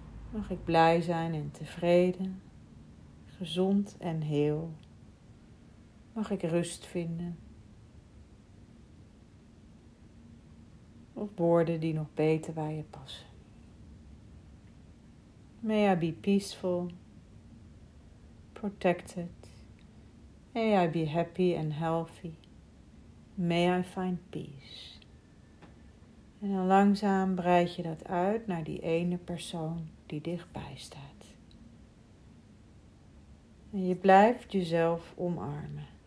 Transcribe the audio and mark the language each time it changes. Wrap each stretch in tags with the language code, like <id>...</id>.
<nl>Mag ik blij zijn en tevreden, gezond en heel? Mag ik rust vinden? Of woorden die nog beter bij je passen?</nl> <en>May I be peaceful, protected. May I be happy and healthy. May I find peace.</en> <nl>En dan langzaam breid je dat uit naar die ene persoon die dichtbij staat. En je blijft jezelf omarmen.</nl>